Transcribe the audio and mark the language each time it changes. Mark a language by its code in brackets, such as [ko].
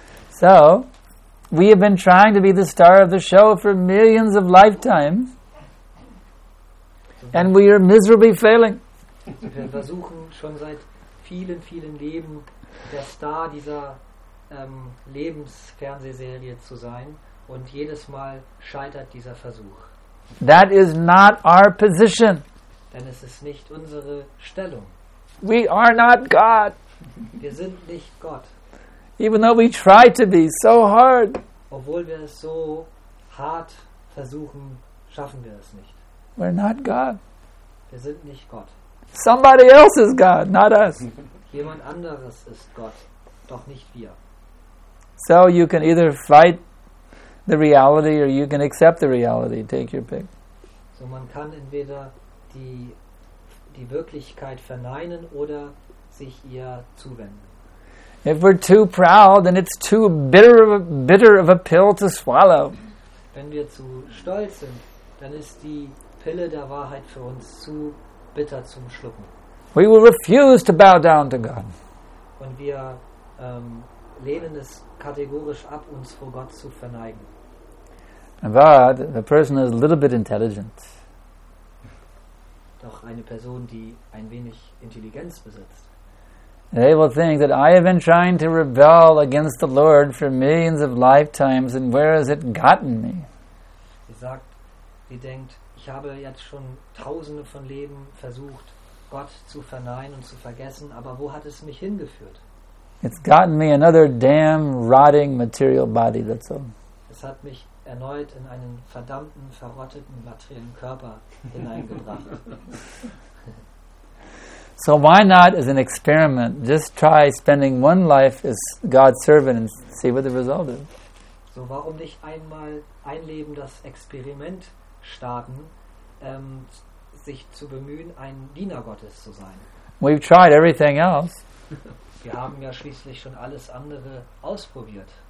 [en] So, we have been trying to be the star of the show for millions of lifetimes, and we are miserably failing. [de] Wir versuchen schon seit vielen, vielen Leben der Star dieser Lebensfernsehserie zu sein, und jedes Mal scheitert dieser Versuch. [en] That is not our position. [de] Denn es ist nicht unsere Stellung. [en] We are not God. [de] Wir sind nicht Gott. [en] Even though we try to be so hard. [de] Obwohl wir es so hart versuchen, schaffen wir es nicht. [en] We're not God. [de] Wir sind nicht Gott. [en] Somebody else is God, not us. [de] Jemand anderes ist Gott, doch nicht wir. [en] So you can either fight the reality or you can accept the reality. Take your pick. [de] So man kann entweder die Wirklichkeit verneinen oder sich ihr zuwenden. [en] If we're too proud, then it's too bitter of a pill to swallow. [de] Wenn wir zu stolz sind, dann ist die Pille der Wahrheit für uns zu bitter zum Schlucken. [en] We will refuse to bow down to God. [de] Und wir lehnen es kategorisch ab, uns vor Gott zu verneigen. [en] But a person is a little bit intelligent. [de] Doch eine Person, die ein wenig Intelligenz besitzt. [en] They will think that I have been trying to rebel against the Lord for millions of lifetimes, and where has it gotten me? [de] Sie denkt, ich habe jetzt schon tausende von Leben versucht, Gott zu verneinen und zu vergessen, aber wo hat es mich hingeführt? [en] It's gotten me another damn rotting material body, that's all. [de] Es hat mich erneut in einen verdammten, verrotteten materiellen Körper hineingebracht. [en] So why not as an experiment just try spending one life as God's servant and see what the result is. [de] So warum nicht einmal ein Leben das Experiment starten, sich zu bemühen, ein Diener Gottes zu sein. [en] We've tried everything else. [de] Wir haben ja schließlich schon alles andere ausprobiert.